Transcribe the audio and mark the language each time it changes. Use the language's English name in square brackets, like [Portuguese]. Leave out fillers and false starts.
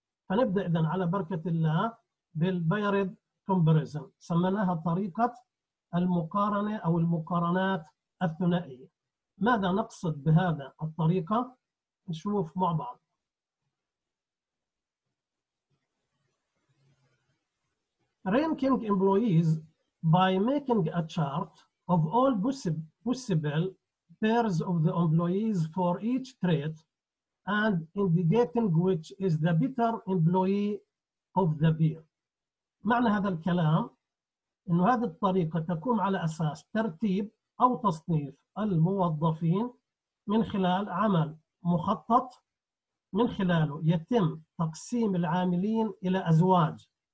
[Arabic] فنبدأ اذا على بركة الله بالبايرد كومباريزن، سميناها طريقة المقارنة او المقارنات الثنائية. ماذا نقصد بهذا الطريقة؟ نشوف مع بعض. [English] Ranking employees by making a chart of all possible pairs of the employees for each trait and indicating which is the better employee of the pair. [Arabic] معنى هذا الكلام انه هذه الطريقة تقوم على اساس ترتيب أو تصنيف الموظفين من خلال عمل مخطط، من خلاله يتم تقسيم العاملين إلى أزواج.